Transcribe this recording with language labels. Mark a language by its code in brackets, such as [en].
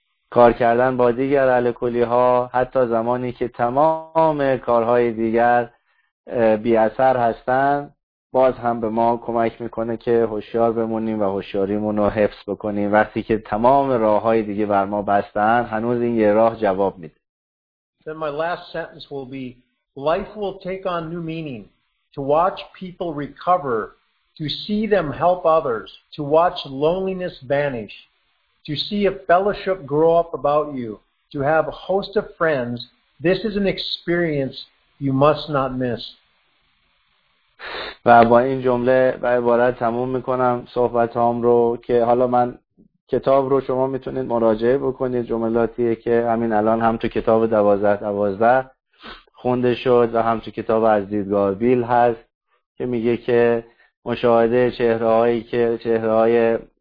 [fa] کار کردن با دیگر الکلی‌ها حتی زمانی که تمام کارهای دیگر بی اثر هستند باز هم به ما کمک می‌کنه که هوشیار بمونیم و هوشیاریمون رو حفظ بکنیم. وقتی که تمام راه‌های دیگه بر ما بستن هنوز این یه راه جواب میده. [en] Then my last sentence will be, life will take on new meaning. To watch people recover, to see them help others, to watch loneliness vanish, to see a fellowship grow up about you, to have a host of friends, this is an experience you must not miss. [fa] و با این جمله و عبارت تموم میکنم صحبتام رو که حالا من کتاب رو شما میتونید مراجعه بکنید، جملاتیه که همین الان هم تو کتاب 12-12 خونده شد و هم تو کتاب از دیدگاه بیل هست که میگه که مشاهده چهره های